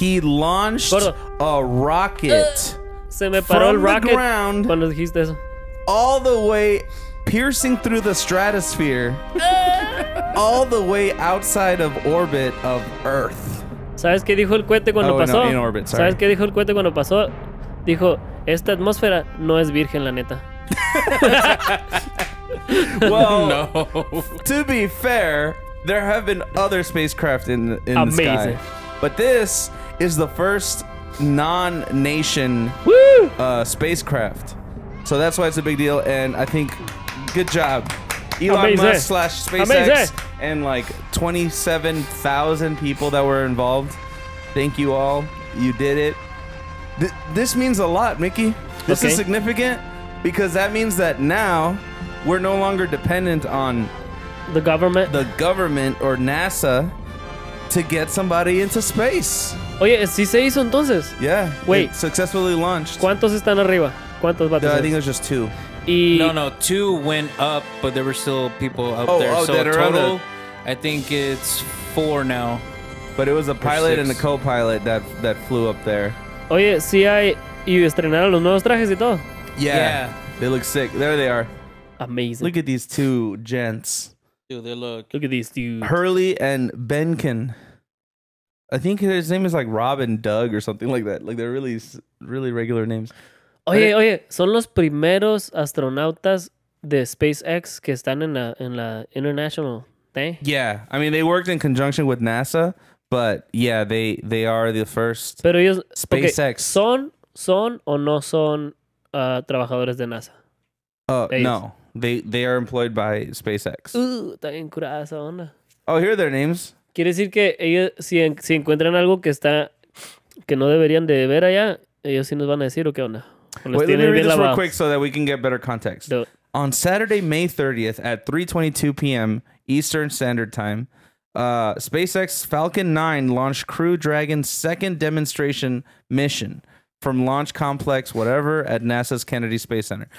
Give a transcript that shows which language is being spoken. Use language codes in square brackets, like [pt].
[en] He launched a rocket from the ground all the way, piercing through the stratosphere, all the way outside of orbit of Earth. [es] ¿Sabes qué dijo el cohete cuando pasó? [en] Oh, no, in orbit, sorry. [es] ¿Sabes qué dijo el cohete cuando pasó? Dijo, esta atmósfera no es virgen, la neta. [en] Well, no. To be fair, there have been other spacecraft in the sky. But this is the first non-nation spacecraft. So that's why it's a big deal. And I think, good job. Elon Musk / SpaceX. Amazing. And like 27,000 people that were involved. Thank you all. You did it. This means a lot, Mickey. This is significant because that means that now we're no longer dependent on The government or NASA to get somebody into space. [es] Oye, ¿sí se hizo entonces? [en] Yeah. Wait. Successfully launched. [es] ¿Cuántos están arriba? ¿Cuántos [en] vatos? No, I think it was just two. No, two went up, but there were still people up there. Oh, so that total, are I think it's four now. But it was a pilot and a co-pilot that flew up there. [es] Oye, ¿sí hay y estrenaron los nuevos trajes y todo? [en] Yeah. They look sick. There they are. Amazing. Look at these two gents. Dude, they look at these dudes. Hurley and Benkin. I think his name is like Rob and Doug or something like that. Like they're really, really regular names. [es] Oye, but oye, son los primeros astronautas de SpaceX que están en la [en] International thing? Yeah. I mean, they worked in conjunction with NASA, but yeah, they are the first. [es] Pero ellos, [en] SpaceX. [es] Okay, ¿son o no son trabajadores de NASA? [en] No. They are employed by SpaceX. [es] Está bien curada esa onda. [en] Oh, here are their names. [es] Quiere decir que ellos, si encuentran algo que está, que no deberían de ver allá, ellos sí nos van a decir o qué onda. [en] Wait, let me read this real quick so that we can get better context. On Saturday, May 30th at 3:22 p.m. Eastern Standard Time, SpaceX Falcon 9 launched Crew Dragon's second demonstration mission from launch complex, whatever, at NASA's Kennedy Space Center.